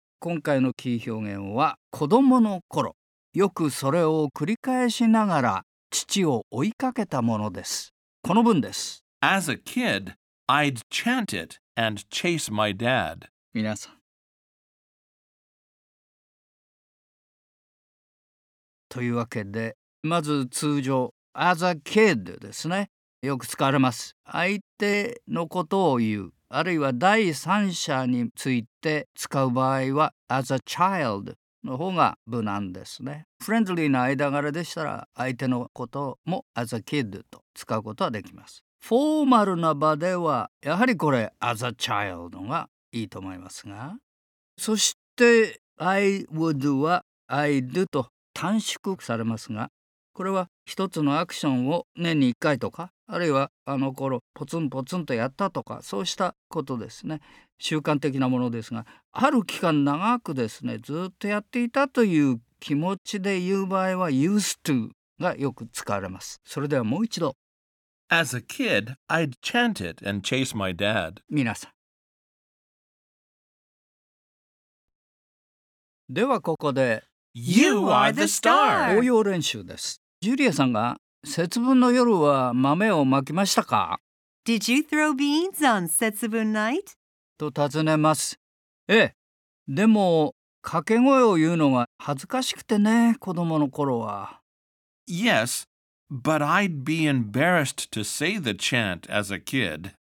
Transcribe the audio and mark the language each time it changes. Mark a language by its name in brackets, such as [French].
[Japanese] 今回のキー表現は子供の頃、よくそれを繰り返しながら父を追いかけたものです。この文です。 [English] As a kid, I'd chant it and chase my dad. [Japanese] 皆さん。というわけで、まず通常、 [English] As a kid [Japanese] ですね。よく使われます。相手のことを言う、あるいは第三者について使う場合は、 [English] as a child [Japanese] の方が無難ですね。フレンドリーな間柄でしたら相手のことも [English] as a kid [Japanese] と使うことはできます。フォーマルな場ではやはりこれ [English] as a child [Japanese] がいいと思いますが、そして [English] I would [Japanese] は [English] I do [Japanese] と短縮されますが、これは一つのアクションを年に一回とか、あるいはあの頃ポツンポツンとやったとか、そうしたことですね。習慣的なものですが、ある期間長くですね、ずっとやっていたという気持ちで言う場合は [English] used to [Japanese] がよく使われます。それではもう一度。 [English] As a kid, I'd chant it and chase my dad. [Japanese] 皆さん。ではここで、 [English] You are the star! [Japanese] 応用練習です。ジュリアさんが、節分の夜は豆をまきましたか? [English] Did you throw beans on 節分 night? [Japanese] と尋ねます。ええ。でも、掛け声を言うのが恥ずかしくてね、子供の頃は。 [English] Yes, but I'd be embarrassed to say the chant as a kid.